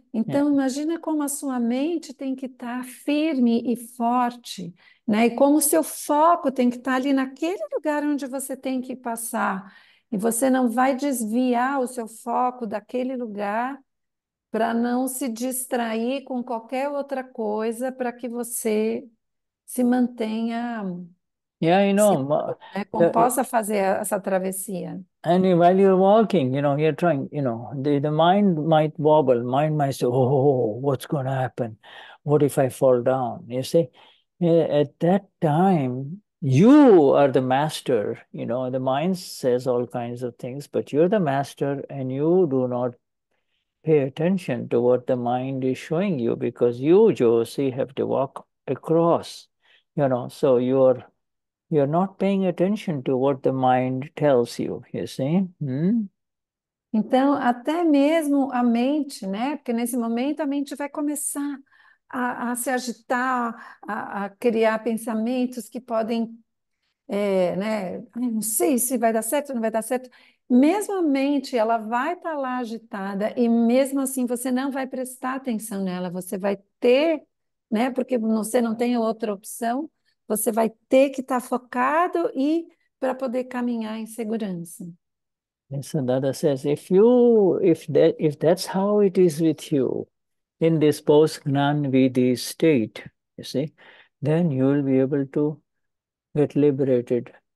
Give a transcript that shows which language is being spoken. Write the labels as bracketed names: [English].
[Portuguese] Então, imagina como a sua mente tem que estar firme e forte, né? E como o seu foco tem que estar ali naquele lugar onde você tem que passar. E você não vai desviar o seu foco daquele lugar, para não se distrair com qualquer outra coisa, para que você se mantenha [English] Yeah, you [Portuguese] seguro, [English] know, [Portuguese] né? Possa fazer essa travessia. [English] and while you're walking, you know, you're trying, you know, the mind might wobble, mind might say, oh, what's going to happen? What if I fall down? You see, at that time, you are the master, you know, the mind says all kinds of things, but you're the master and you do not pay attention to what the mind is showing you because you, Josie, have to walk across, you know, so you're not paying attention to what the mind tells you see? [Portuguese] Então, até mesmo a mente, né? Porque nesse momento a mente vai começar a se agitar, a criar pensamentos que podem, né? Não sei se vai dar certo ou não vai dar certo. Mesmo a mente, ela vai estar lá agitada e mesmo assim você não vai prestar atenção nela. Você vai ter, né? Porque você não tem outra opção. Você vai ter que estar focado e para poder caminhar em segurança. [English] Yes, and Dada says, if that's how it is with you in this post-Gnanvidhi state, you see, then you will be able to get liberated